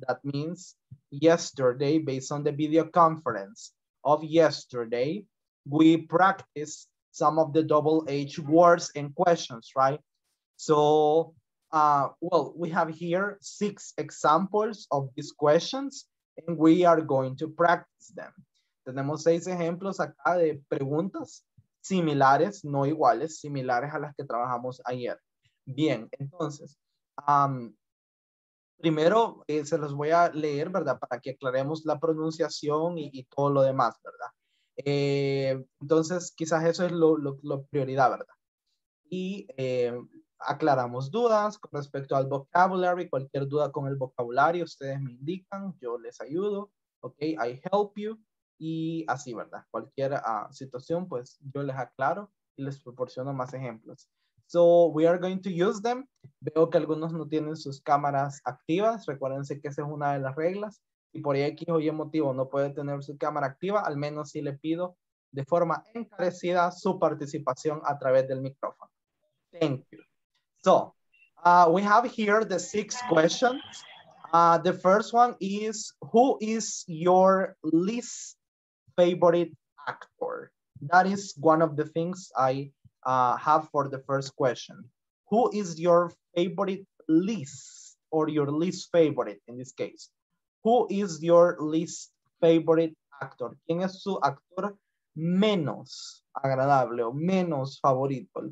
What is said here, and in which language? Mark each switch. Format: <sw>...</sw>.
<en>That means yesterday, based on the video conference of yesterday, we practiced some of the double H words and questions, right? So, well, we have here 6 examples of these questions and we are going to practice them.</en> <es>Tenemos 6 ejemplos acá de preguntas similares, no iguales, similares a las que trabajamos ayer. Bien, entonces, primero se los voy a leer, ¿verdad? Para que aclaremos la pronunciación y todo lo demás, ¿verdad? Entonces, quizás eso es lo prioridad, ¿verdad? Y aclaramos dudas con respecto al vocabulary, cualquier duda con el vocabulario, ustedes me indican, yo les ayudo, ¿ok?</es> <en>I help you,</en> <es>y así, ¿verdad? Cualquier situación, pues yo les aclaro y les proporciono más ejemplos.</es> <en>So we are going to use them.</en> <es>Veo que algunos no tienen sus cámaras activas. Recuérdense que esa es una de las reglas. Y por ahí X o Y motivo no puede tener su cámara activa, al menos si le pido de forma encarecida su participación a través del micrófono.</es> <en>Thank you. So we have here the 6 questions. The first one is, who is your least favorite actor? That is one of the things I have for the first question. Who is your favorite least, or your least favorite in this case? Who is your least favorite actor?</en> <es>¿Quién es su actor menos agradable o menos favorito?</es>